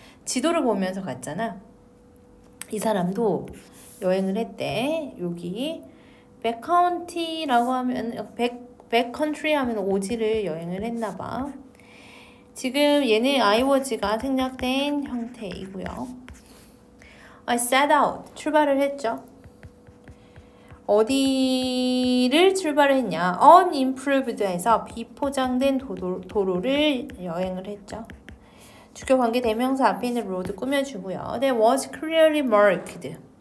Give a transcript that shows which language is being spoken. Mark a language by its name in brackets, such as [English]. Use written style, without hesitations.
[Korean] 지도를 보면서 갔잖아. 이 사람도 여행을 했대. 여기 백카운티라고 하면 백컨트리 하면 오지를 여행을 했나 봐. 지금 얘는 아이워즈가 생략된 형태이고요. [English] I set out [Korean] 출발을 했죠. 어디를 출발했냐? Unimproved에서 비포장된 도로를 여행을 했죠. 주교 관계 대명사 앞에 로드 꾸며주고요. [English] There was clearly marked.